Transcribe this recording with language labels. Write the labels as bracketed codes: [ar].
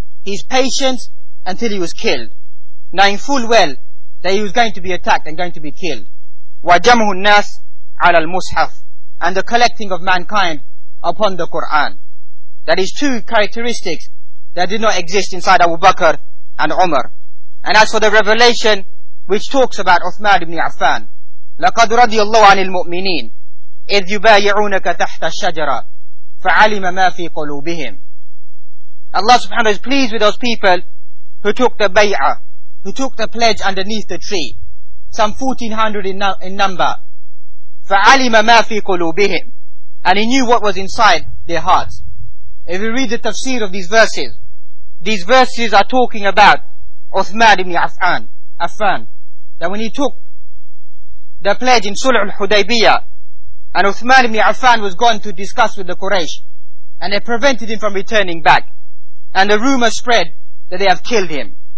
[en] His patience until he was killed, knowing full well that he was going to be attacked and going to be killed. [ar] وَجَمْهُ النَّاسِ عَلَى الْمُصْحَفِ. [en] And the collecting of mankind upon the Quran. That is two characteristics that did not exist inside Abu Bakr and Umar. And as for the revelation which talks about Uthman ibn Affan, [ar] لَقَدْ رَضِيَ اللَّهُ عَنِ الْمُؤْمِنِينَ إِذْ يُبَايِعُونَكَ تَحْتَ الشَّجَرَةِ فَعَلِمَ مَا فِي قُلُوبِهِمْ. [en] Allah subhanahu wa ta'ala is pleased with those people who took the bay'ah, who took the pledge underneath the tree, some 1400 in number. [ar] فَعَلِمَ مَا فِي قُلُوبِهِمْ. [en] And he knew what was inside their hearts. If you read the tafsir of these verses are talking about Uthman ibn Affan, that when he took the pledge in Sulh al-Hudaybiyah, and Uthman ibn Affan was gone to discuss with the Quraysh, and they prevented him from returning back, and the rumor spread that they have killed him.